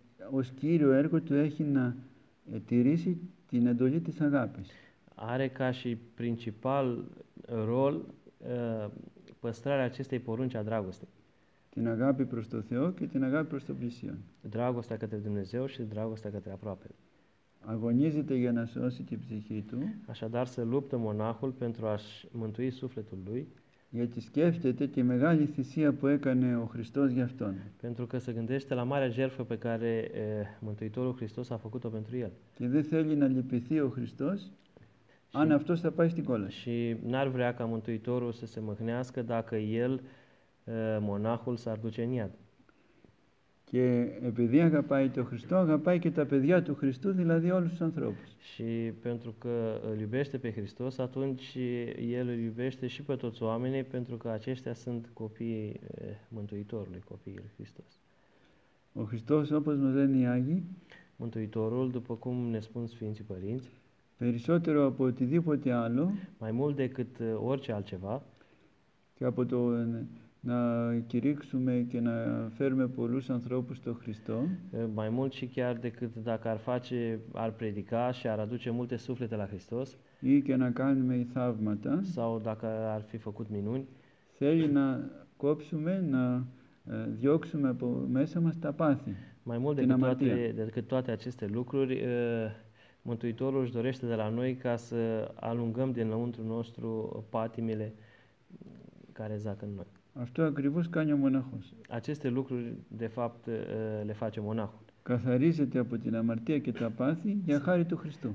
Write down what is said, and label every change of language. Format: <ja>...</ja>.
<el>ως κύριο έργο του έχει να τηρήσει την εντολή της αγάπης.</el> <ro>Are ca și principal rol păstrarea acestei porunci a dragostei.</ro> <el>Την αγάπη προς το Θεό και την αγάπη προς τον πλησίον.</el> <ro>Dragostea către Dumnezeu și dragostea către aproape.</ro> <el>Αγωνίζεται για να σώσει την ψυχή του.</el> <ro>Așadar, se luptă monahul pentru a-și mântui sufletul lui.</ro> <el>Γιατί σκέφτεται τη μεγάλη θυσία που έκανε ο Χριστός για αυτόν.</el> <ro>Pentru că se gândește la marea jertfă pe care Mântuitorul Hristos a făcut-o pentru el.</ro> <el>Και δεν θέλει να λυπηθεί ο Χριστός. Αν αυτό θα πάει στην κόλαση.</el> <ro>Și n-ar vrea ca Mântuitorul să se mâhnească dacă el, monahul, s-ar duce în iad.</ro> <el>Και επειδή αγαπάει τον Χριστό, αγαπάει και τα παιδιά του Χριστού, δηλαδή όλους τους ανθρώπους.</el> <ro>Și pentru că îl iubește pe Hristos, atunci el îl iubește și pe toți oamenii, pentru că aceștia sunt copiii Mântuitorului, copiii lui Hristos.</ro> <el>Ο Χριστός, όπως μας λένε οι Άγιοι,</el> <ro>Mântuitorul, după cum ne spun Sfinții Părinți,</ro> <el>περισσότερο από οτιδήποτε άλλο,</el> <ro>mai mult decât orice altceva,</ro> <el>και από το να κηρύξουμε και να φέρουμε πολλούς ανθρώπους στο Χριστό,</el> <ro>mai mult și chiar decât dacă ar face, ar predica și ar aduce multe suflete la Hristos,</ro> <el>ή και να κάνουμε θαύματα,</el> <ro>sau dacă ar fi făcut minuni,</ro> <el>θέλει να κόψουμε, να διώξουμε από μέσα μας τα πάθη,</el> <ro>mai mult</ro> <el>την</el> <ro>decât</ro> <el>αμαρτία.</el> <ro>Toate aceste lucruri, Mântuitorul își dorește de la noi ca să alungăm dinăuntru nostru patimile care zac în noi.</ro> <el>Αυτό ακριβώς κάνει ο μοναχός.</el> <ro>Aceste lucruri, de fapt, le face monahul.</ro> <el>Καθαρίζεται από την αμαρτία και τα πάθη για χάρη του Χριστού.</el>